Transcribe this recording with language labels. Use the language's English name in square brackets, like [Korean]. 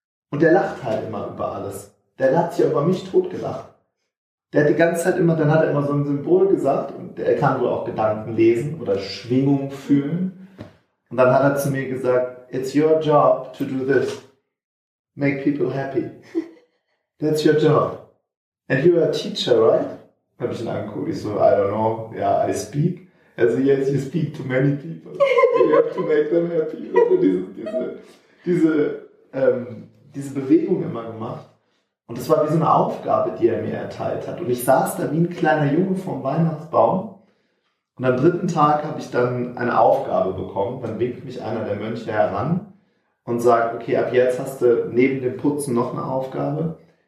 [German] Und der lacht halt immer über alles. Der hat sich über mich totgelacht. Der hat die ganze Zeit immer, dann hat er immer so ein Symbol gesagt und er kann wohl auch Gedanken lesen oder Schwingung fühlen. Und dann hat er zu mir gesagt, [English] it's your job to do this. Make people happy. That's your job. And you are a teacher, right? [German] Hab ich ihn angeguckt, ich so, [English] I don't know, yeah, I speak. Also yes, you speak to many people. You have to make them happy. [German] Also diese Bewegung immer gemacht. Und das war wie so eine Aufgabe, die er mir erteilt hat. Und ich saß da wie ein kleiner Junge vorm Weihnachtsbaum. Und am dritten Tag habe ich dann eine Aufgabe bekommen. Dann winkt mich einer der Mönche heran und sagt, okay, ab jetzt hast du neben dem Putzen noch eine Aufgabe.